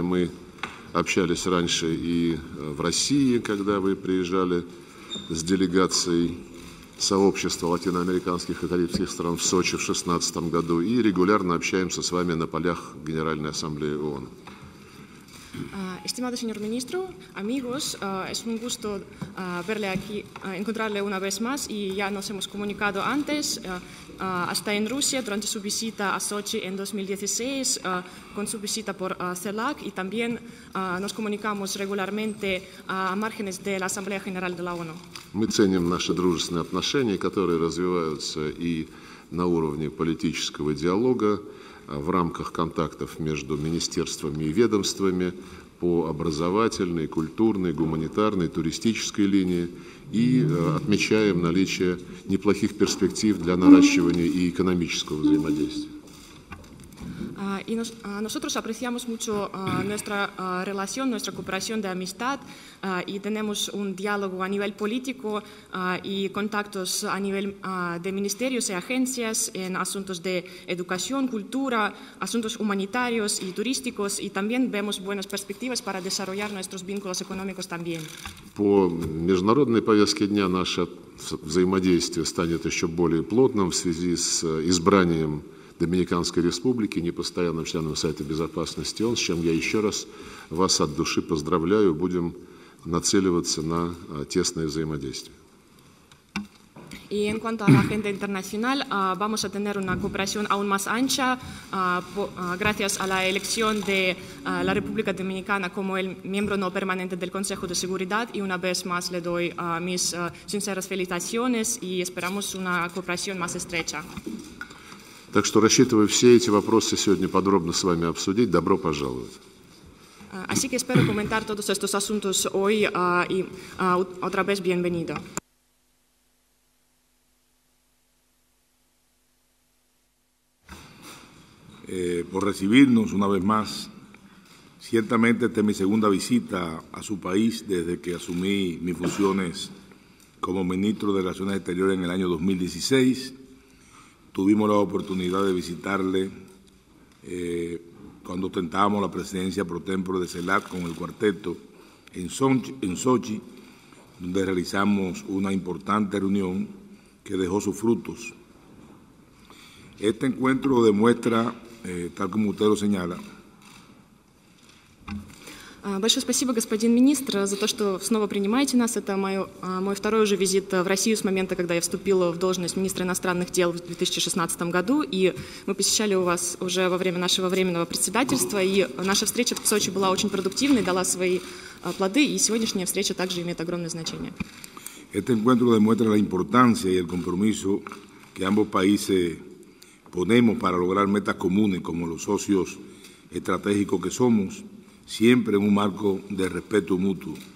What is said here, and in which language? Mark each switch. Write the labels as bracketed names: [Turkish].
[Russian] Мы общались раньше и в России, когда вы приезжали с делегацией сообщества латиноамериканских и карибских стран в Сочи в 2016 году, и регулярно общаемся с вами на полях Генеральной Ассамблеи ООН. [Spanish] Estimado señor ministro, amigos, es un gusto verle aquí, encontrarle una vez más y ya nos hemos comunicado antes, hasta en Rusia durante su visita a Sochi en 2016, con su visita por CELAC y también nos comunicamos regularmente a márgenes de la Asamblea General de la ONU. [Russian] Мы ценим наши дружественные отношения, которые развиваются и на уровне политического диалога, в рамках контактов между министерствами и ведомствами по образовательной, культурной, гуманитарной, туристической линии и отмечаем наличие неплохих перспектив для наращивания и экономического взаимодействия. [Spanish] Y nosotros apreciamos mucho nuestra relación, nuestra cooperación de amistad y tenemos un diálogo a nivel político y contactos a nivel de ministerios y agencias en asuntos de educación, cultura, asuntos humanitarios y turísticos y también vemos buenas perspectivas para desarrollar nuestros vínculos económicos también. [Russian] По международной повестке дня наше взаимодействие станет еще более плотным в связи с избранием Доминиканской Республики, непостоянным членом Совета Безопасности ООН, с чем я еще раз вас от души поздравляю. Будем нацеливаться на тесное взаимодействие. [Spanish] Y en cuanto a la agenda internacional, vamos a tener una cooperación aún más ancha gracias a la elección de la República Dominicana como el miembro no permanente del Consejo de Seguridad. Y una vez más le doy mis sinceras felicitaciones y esperamos una cooperación más estrecha. [Russian] Так что рассчитываю все эти вопросы сегодня подробно с вами обсудить. Добро пожаловать. [Spanish] Así que espero comentar todos estos asuntos hoy y otra vez bienvenido. Por recibirnos una vez más. Ciertamente esta es mi segunda visita a su país desde que asumí mis funciones como ministro de Relaciones Exteriores en el año 2016. Tuvimos la oportunidad de visitarle cuando ostentábamos la presidencia pro tempore de CELAC con el cuarteto en Sochi, donde realizamos una importante reunión que dejó sus frutos. Este encuentro demuestra, tal como usted lo señala, [Russian] Большое спасибо, господин министр, за то, что снова принимаете нас. Это мой второй уже визит в Россию с момента, когда я вступила в должность министра иностранных дел в 2016 году. И мы посещали у вас уже во время нашего временного председательства. И наша встреча в Сочи была очень продуктивной, дала свои плоды. И сегодняшняя встреча также имеет огромное значение. [Spanish] Este encuentro demuestra la importancia y el compromiso que ambos países ponemos para lograr metas comunes como los socios estratégicos que somos. Siempre en un marco de respeto mutuo.